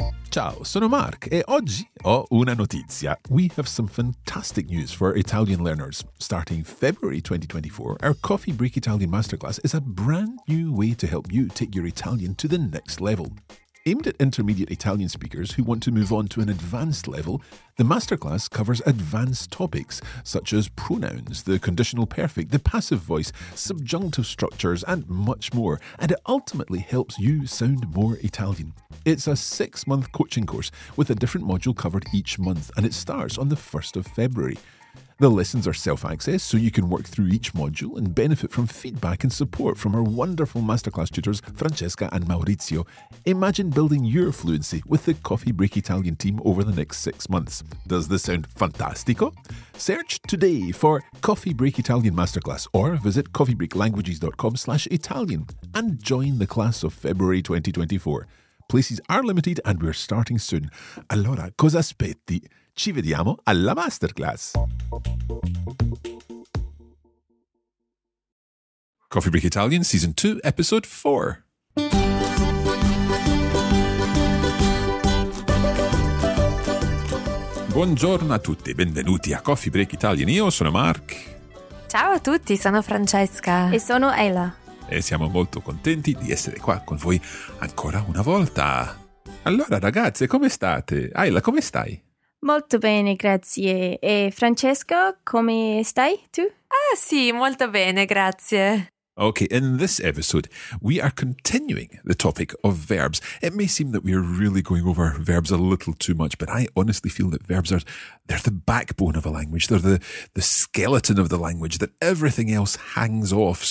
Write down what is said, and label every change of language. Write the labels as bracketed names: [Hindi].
[Italian] Ciao, sono Mark e oggi ho una notizia. [English] We have some fantastic news for Italian learners. Starting February 2024, our Coffee Break Italian Masterclass is a brand new way to help you take your Italian to the next level. Aimed at intermediate Italian speakers who want to move on to an advanced level, the masterclass covers advanced topics such as pronouns, the conditional perfect, the passive voice, subjunctive structures, and much more, and it ultimately helps you sound more Italian. It's a six-month coaching course with a different module covered each month, and it starts on the 1st of February. The lessons are self-access, so you can work through each module and benefit from feedback and support from our wonderful masterclass tutors, Francesca and Maurizio. Imagine building your fluency with the Coffee Break Italian team over the next 6 months. Does this sound fantastico? Search today for Coffee Break Italian Masterclass or visit coffeebreaklanguages.com/Italian and join the class of February 2024. Places are limited and we're starting soon. [Italian] Allora, cosa aspetti? Ci vediamo alla masterclass. Coffee Break Italian, Season 2, Episode 4. Buongiorno a tutti, benvenuti a Coffee Break Italian. Io sono Mark. Ciao a tutti, sono Francesca. E sono Ella. E siamo molto contenti di essere qua con voi ancora una volta. Allora ragazze, come state? Ella, come stai? Molto bene, grazie. E Francesco, come stai tu? Ah sì, molto bene, grazie. [English] Okay, in this episode, we are continuing the topic of verbs. It may seem that we are really going over verbs a little too much, but I honestly feel that verbs are, they're the backbone of a language. They're the skeleton of the language that everything else hangs off.